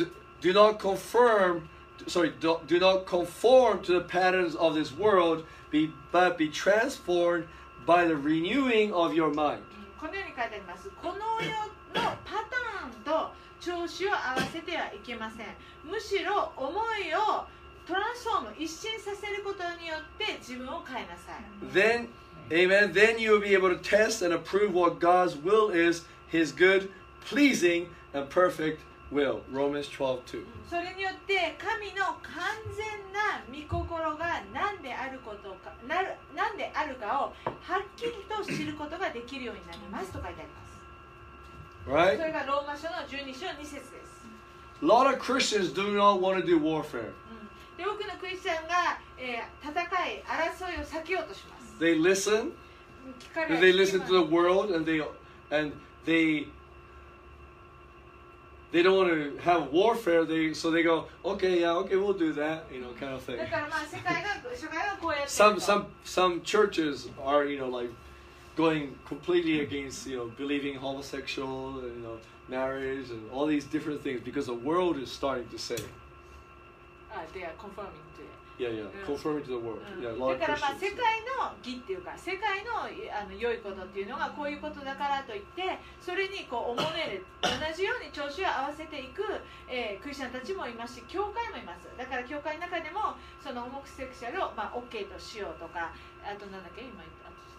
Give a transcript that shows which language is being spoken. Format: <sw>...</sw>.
<en>It says, do not conform to the patterns of this world, but be transformed by the renewing of your mind.</en> <ja>このように書いてあります。この世のパターンと調子を合わせてはいけません。むしろ思いをトランスフォーム、一新させることによって自分を変えなさい。</ja> <en>Then, amen. Then you will be able to test and approve what God's will is, His good, pleasing, and perfect will. Romans 12:2.</en> <ja>それによって神の完全な御心が何であることか、何であるかをはっきりと知ることができるようになりますと書いてあります。</ja> <en>Right?</en> <ja>それがローマ書の12章2節です。</ja> <en>A lot of Christians do not want to do warfare.</en> <ja>多くのクリスチャンが、戦い争いを避けようとします。</ja> <en>They listen</en> <ja>聞かれ</ja> <en>They listen to the world and they don't want to have warfare they, so they go okay yeah okay we'll do that you know kind of thing</en> <ja>だからまあ世界がこうやって</ja> <en>some churches are you know like going completely against you know believing homosexual you know marriage and all these different things because the world is starting to say They are conforming to it. Yeah, conforming to the world. Yeah, a lot of Christians.</en> <ja>だからまあ世界の義っていうか、世界のあの良いことっていうのがこういうことだからといって、それにこう思えれ同じように調子を合わせていく、クリスチャンたちもいますし、教会もいます。だから教会の中でもそのホモセクシャルをまあ OK としようとか、あとなんだっけ今言った。</ja>